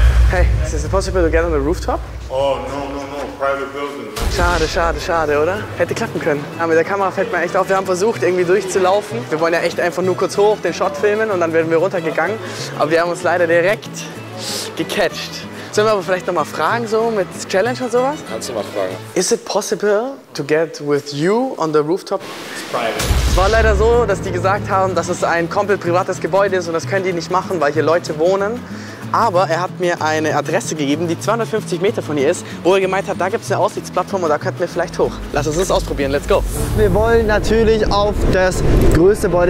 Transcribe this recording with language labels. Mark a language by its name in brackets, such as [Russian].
[English] Hey, is it possible to get on the rooftop? Oh, no, private building. [German] Schade, oder? Hätte klappen können. Aber mit der Kamera fällt mir echt auf. Wir haben versucht, irgendwie durchzulaufen. Wir wollen ja echt einfach nur kurz hoch den Shot filmen und dann werden wir runtergegangen. Aber wir haben uns leider direkt gecatcht. Sollen wir aber vielleicht nochmal fragen, so mit Challenge und sowas? Kannst du mal fragen. [English] Is it possible to get with you on the rooftop? It's private. [German] Es war leider so, dass die gesagt haben, dass es ein komplett privates Gebäude ist und das können die nicht machen, weil hier Leute wohnen. Aber er hat mir eine Adresse gegeben, die 250 Meter von hier ist, wo er gemeint hat, da gibt es eine Aussichtsplattform und da könnten wir vielleicht hoch. Lass uns das ausprobieren, [English] let's go. [German] Wir wollen natürlich auf das größte Gebäude.